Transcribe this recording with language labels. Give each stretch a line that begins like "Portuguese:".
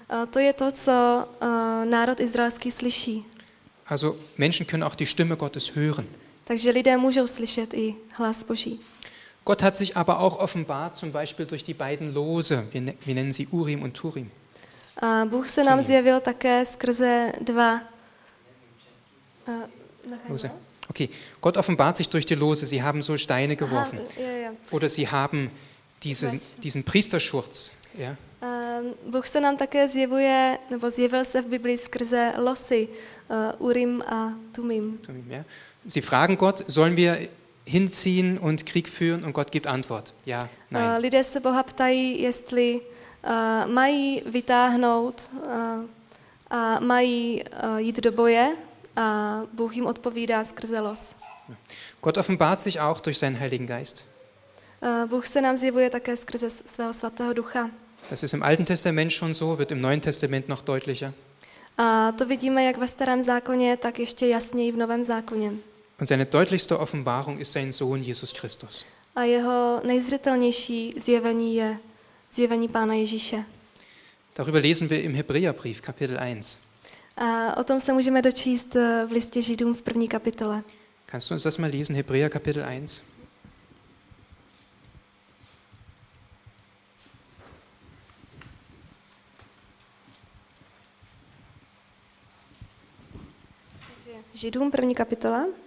Czech: To je to, co národ izraelský slyší.
German: Also Menschen können auch die Stimme Gottes hören.
Czech: Takže lidé můžou slyšet i hlas Boží.
German: Gott hat sich aber auch offenbart, zum Beispiel durch die beiden Lose, wir nennen sie Urim und Thurim.
Czech: A Bůh se nám zjevil také skrze dva.
German: Lose. Okay. Gott offenbart sich durch die Lose. Sie haben so Steine geworfen. Oder sie haben diesen Priesterschurz. Ja.
Czech: Bůh se nám také zjevuje, nebo zjevil se v Biblii skrze losy. Urim a Tumim.
German: Ja. Sie fragen Gott, sollen wir hinziehen und Krieg führen? Und Gott gibt Antwort. Ja, nein.
Czech: Lidé se Boha ptají, jestli mají vytáhnout a mají jít do boje a Bůh jim odpovídá skrze los.
German: Gott offenbart sich auch durch seinen Heiligen Geist.
Czech: Bůh se nám zjevuje také skrze svého svatého ducha.
German: Das ist im Alten Testament schon so, wird im Neuen Testament noch deutlicher.
Czech: A to vidíme jak ve starém zákoně, tak ještě jasněji v novém zákoně.
German: Und seine deutlichste Offenbarung ist sein Sohn Jesus Christus.
Czech: A jeho nejzřetelnější zjevení je zjevení Pána Ježíše.
German: Darüber lesen wir im Hebräerbrief, Kapitel 1.
Czech: A o tom se můžeme dočíst v listě Židům v první kapitole.
German: Kannst du uns das mal lesen, Hebräer, Kapitel 1?
Czech: Židům, první kapitola.